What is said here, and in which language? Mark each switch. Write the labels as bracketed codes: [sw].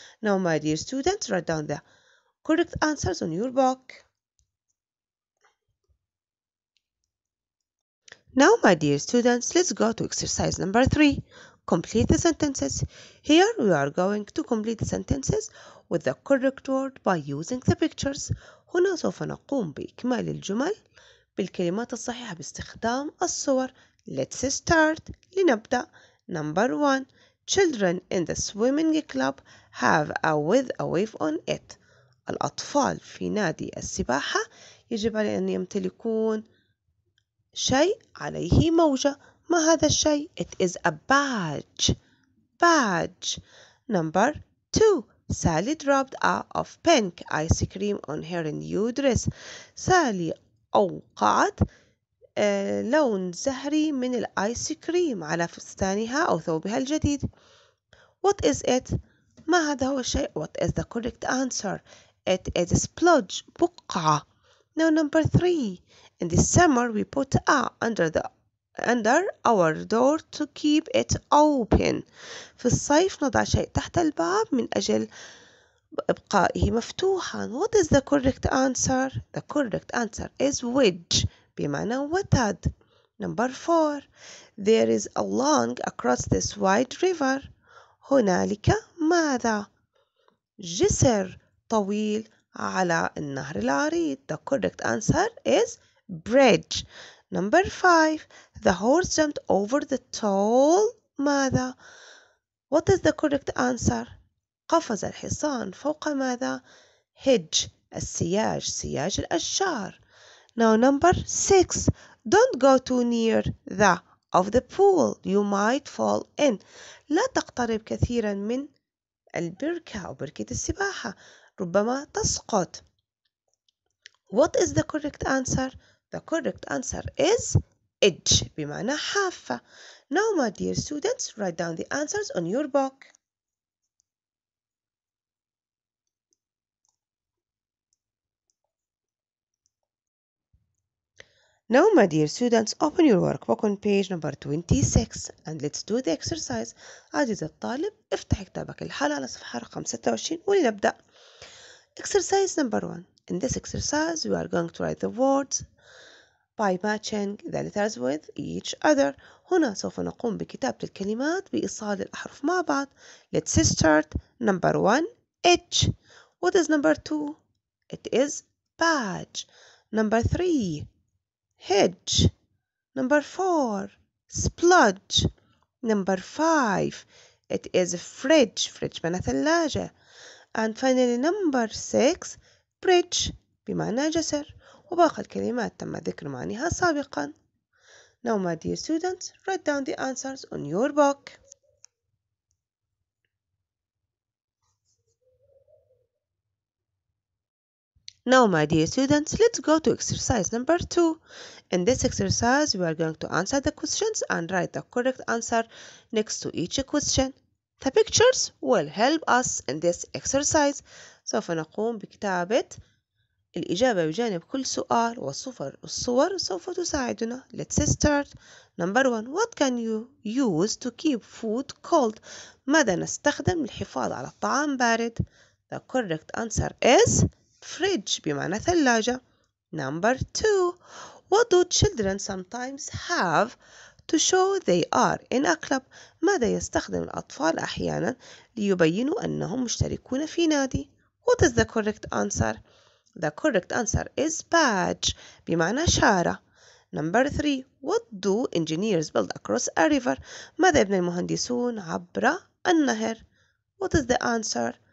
[en] Now my dear students, write down the correct answers on your book. Now my dear students, let's go to exercise number 3. Complete the sentences. Here we are going to complete the sentences with the correct word by using the pictures. [ar] هنا سوف نقوم بإكمال الجمل بالكلمات الصحيحة باستخدام الصور. [en] Let's start. [ar] لنبدأ. [en] Number 1. Children in the swimming club have a with a wave on it. [ar] الأطفال في نادي السباحة يجب عليهم أن يمتلكون شيء عليه موجة. ما هذا الشيء؟ [en] It is a badge. Badge. Number 2. Sally dropped a of pink ice cream on her new dress. [ar] سالي أوقعت لون زهري من الآيس كريم على فستانها أو ثوبها الجديد. [en] What is it? [ar] ما هذا هو الشيء؟ [en] What is the correct answer? It is a splodge. [ar] بقعة. [en] Now number 3. In the summer we put a under our door to keep it open. [ar] في الصيف نضع شيء تحت الباب من أجل إبقائه مفتوحا. [en] What is the correct answer? The correct answer is wedge [ar] بمعنى وتد. [en] Number 4. There is a long across this wide river. [ar] هنالك ماذا؟ جسر طويل على النهر العريض. [en] The correct answer is bridge. Number 5. The horse jumped over the tall [ar] ماذا؟ [en] What is the correct answer? [ar] قفز الحصان فوق ماذا؟ Hedge, السياج, سياج الأشجار. [en] Now number 6. Don't go too near the of the pool. You might fall in. [ar] لا تقترب كثيرا من البركة أو بركة السباحة. ربما تسقط. [en] What is the correct answer? The correct answer is edge, [ar] بمعنى حافة. [en] Now, my dear students, write down the answers on your book. Now, my dear students, open your workbook on page number 26 and let's do the exercise. [ar] عزيزي الطالب, افتح كتابك الحالة على صفحة رقم 26 ولنبدأ. [en] Exercise number 1. In this exercise, we are going to write the words by matching the letters with each other. [ar] هنا سوف نقوم بكتابة الكلمات بإيصال الأحرف مع بعض. [en] Let's start. Number 1, H. What is number 2? It is badge. Number 3, hedge. Number 4, spludge. Number 5, it is fridge. Fridge [ar] معنى ثلاجة. [en] And finally, number 6, bridge, [ar] بمعنى جسر. وباقي الكلمات تم ذكر معانيها سابقا. [en] Now, my dear students, write down the answers on your book. Now, my dear students, let's go to exercise number 2. In this exercise, we are going to answer the questions and write the correct answer next to each question. The pictures will help us in this exercise. [ar] سوف نقوم بكتابة الإجابة بجانب كل سؤال والصور. الصور سوف تساعدنا. [en] Let's start. Number 1. What can you use to keep food cold? [ar] ماذا نستخدم للحفاظ على الطعام بارد؟ [en] The correct answer is fridge, [ar] بمعنى ثلاجة. [en] Number 2. What do children sometimes have to show they are in a club? [ar] ماذا يستخدم الأطفال أحيانا ليبينوا أنهم مشتركون في نادي؟ [en] What is the correct answer? The correct answer is badge, [ar] بمعنى شارة. [en] Number 3. What do engineers build across a river? [ar] ماذا يبني المهندسون عبر النهر؟ [en] What is the answer?